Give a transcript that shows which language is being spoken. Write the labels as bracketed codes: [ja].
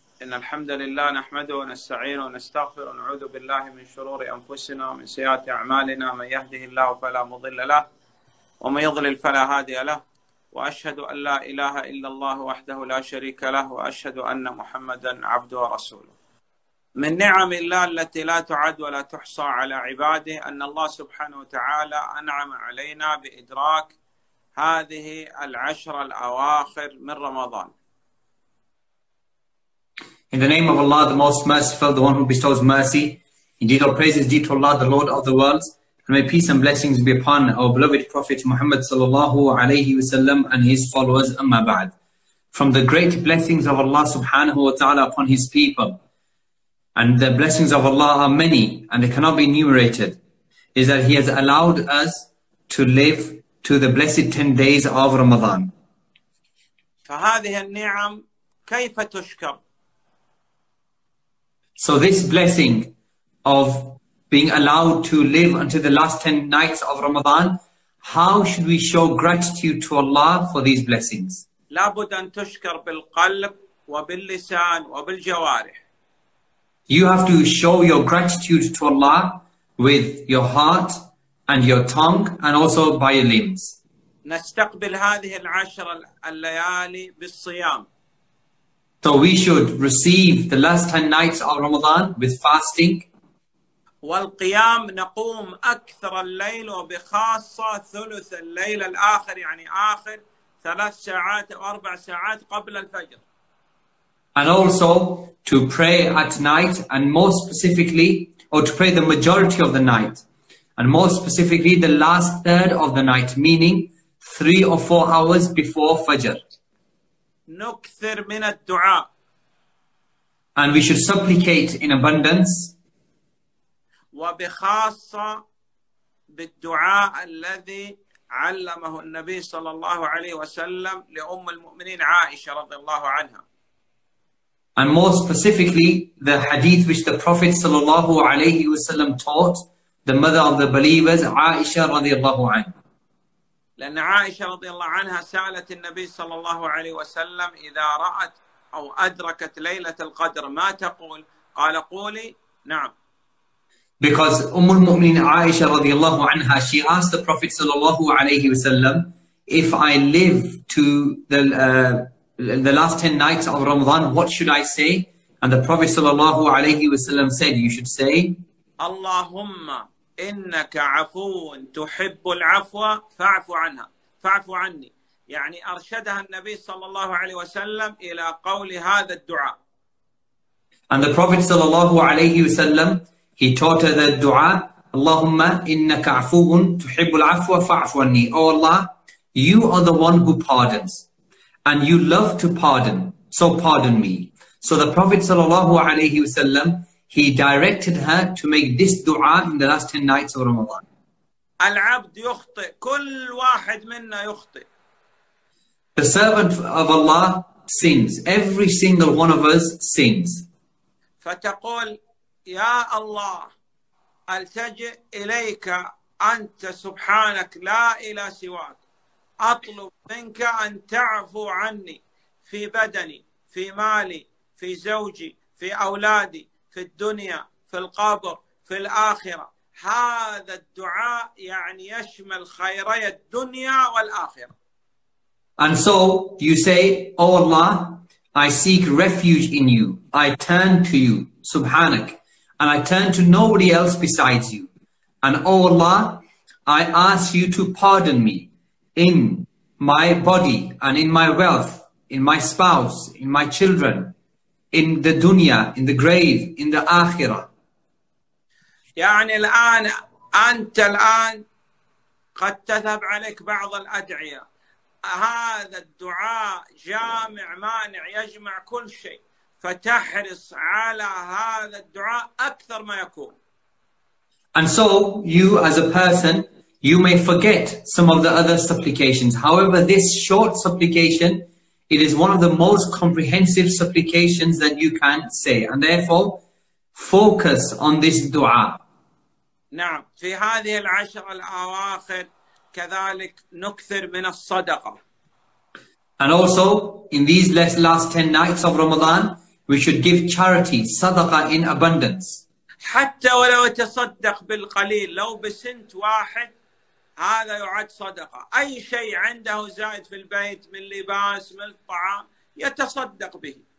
[ar] إن الحمد لله نحمده ونستعينه ونستغفره ونعوذ بالله من شرور أنفسنا ومن سيئات أعمالنا، من يهده الله فلا مضل له ومن يضلل فلا هادي له، وأشهد أن لا إله إلا الله وحده لا شريك له، وأشهد أن محمدا عبده ورسوله. من نعم الله التي لا تعد ولا تحصى على عباده أن الله سبحانه وتعالى أنعم علينا بإدراك هذه العشر الأواخر من رمضان. [en] In the name of Allah, the most merciful, the one who bestows mercy. Indeed, all praise is due to Allah, the Lord of the worlds. And may peace and blessings be upon our beloved Prophet Muhammad [ar] sallallahu alayhi wa sallam [en] and his followers, amma ba'd. From the great blessings of Allah [ar] subhanahu wa ta'ala [en] upon his people, and the blessings of Allah are many and they cannot be enumerated, is that he has allowed us to live to the blessed 10 days of Ramadan. [ar] فهذه النعم كيف تشكر؟ [en] So this blessing of being allowed to live until the last 10 nights of Ramadan, how should we show gratitude to Allah for these blessings? [ar] لابد أن تشكر بالقلب وباللسان وبالجوارح. [en] You have to show your gratitude to Allah with your heart and your tongue and also by your limbs. [ar] نستقبل هذه العشر الليالي بالصيام. [en] So we should receive the last 10 nights of Ramadan with fasting. [ar] والقيام نقوم أكثر الليل وبخاصة ثلث الليل الآخر يعني آخر ثلاث ساعات أو أربع ساعات قبل الفجر. [en] And also to pray at night and more specifically, or to pray the majority of the night. And more specifically the last third of the night, meaning 3 or 4 hours before Fajr. [ar] نكثر من الدعاء. [en] And we should supplicate in abundance. [ar] وبخاصة بالدعاء الذي علمه النبي صلى الله عليه وسلم لأم المؤمنين عائشة رضي الله عنها. [en] And more specifically, the hadith which the Prophet [ar] صلى الله عليه وسلم [en] taught the mother of the believers, عائشة [ar] رضي الله عنها. لأن عائشة رضي الله عنها سألت النبي صلى الله عليه وسلم إذا رأت أو أدركت ليلة القدر ما تقول؟ قال قولي نعم. [en] Because [ar] أم المؤمنين عائشة رضي الله عنها, [en] she asked the Prophet [ar] صلى الله عليه وسلم, [en] if I live to the last 10 nights of Ramadan, what should I say? And the Prophet [ar] صلى الله عليه وسلم [en] said, you should say, [ar] اللهم إنك عفو تحب العفو فاعف عنها فاعف عني. يعني أرشدها النبي صلى الله عليه وسلم إلى قول هذا الدعاء. [en] And the Prophet [ar] صلى الله عليه وسلم, [en] he taught her the [ar] دعاء, اللهم إنك عفو تحب العفو فاعف عني. [en] Oh Allah, you are the one who pardons and you love to pardon, so pardon me. So the Prophet [ar] صلى الله عليه وسلم, [en] he directed her to make this dua in the last 10 nights of Ramadan. [ar] العبد يخطئ, كل واحد منا يخطئ. [en] The servant of Allah sins. Every single one of us sins. [ar] فتقول يا الله ألتجئ إليك أنت سبحانك لا إله سواك, أطلب منك أن تعفو عني في بدني في مالي في زوجي في أولادي في الدنيا في القبر في الآخرة. هذا الدعاء يعني يشمل خيري الدنيا والآخرة. [en] And so you say, O Allah, I seek refuge in you. I turn to you, Subhanak, and I turn to nobody else besides you. And O Allah, I ask you to pardon me in my body and in my wealth, in my spouse, in my children, in the dunya, in the grave, in the akhirah. [ar] يعني الآن أنت الآن قد تذهب عليك بعض الأدعية. هذا الدعاء جامع مانع يجمع كل شيء. فتحرص على هذا الدعاء أكثر ما يكون. [en] And so you as a person, you may forget some of the other supplications. However, this short supplication, it is one of the most comprehensive supplications that you can say. And therefore, focus on this dua. [ar] نعم. في هذه العشر الأواخر كذلك نكثر من الصدقة. [en] And also, in these last 10 nights of Ramadan, we should give charity, sadaqah, in abundance. [ar] حتى ولو تصدق بالقليل لو بسنت واحد هذا يعد صدقة أي شيء عنده زائد في البيت من لباس من الطعام يتصدق به